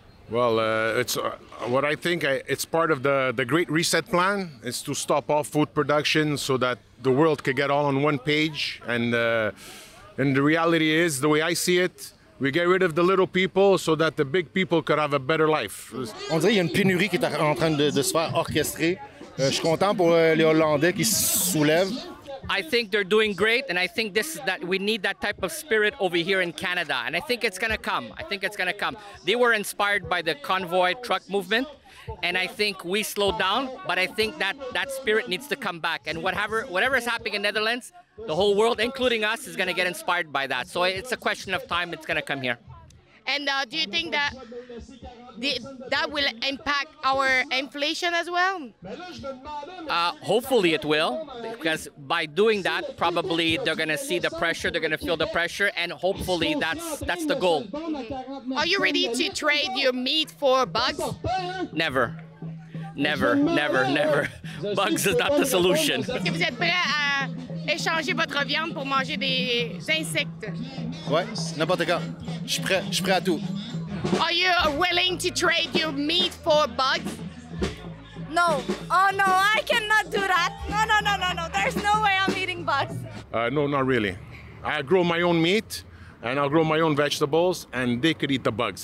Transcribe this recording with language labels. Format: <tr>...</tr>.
<en>Well, it's part of the Great Reset Plan. It's to stop all food production so that the world could get all on one page. And the reality is, the way I see it, we get rid of the little people so that the big people could have a better life.</en> <fr>On dirait qu'il y a une pénurie qui est en train de se faire orchestrer. Je suis content pour les Hollandais qui se soulèvent.</fr> <en>I think they're doing great, and I think that we need that type of spirit over here in Canada, and I think it's going to come. They were inspired by the convoy truck movement, and I think we slowed down, but I think that spirit needs to come back, and whatever is happening in the Netherlands, the whole world, including us, is going to get inspired by that. So it's a question of time. It's going to come here. And do you think that will impact our inflation as well? Hopefully it will, because by doing that, probably they're going to see the pressure, they're going to feel the pressure, and hopefully that's the goal. Are you ready to trade your meat for bugs? Never. Never, never, never. Bugs is not the solution.</en> <fr>Est-ce que vous êtes prêt à échanger votre viande pour manger des insectes? Ouais, n'importe quand. Je suis prêt à tout.</fr> <en>Are you willing to trade your meat for bugs? No. Oh no, I cannot do that. No. There's no way I'm eating bugs. No, not really. I grow my own meat and I grow my own vegetables and they could eat the bugs.</en>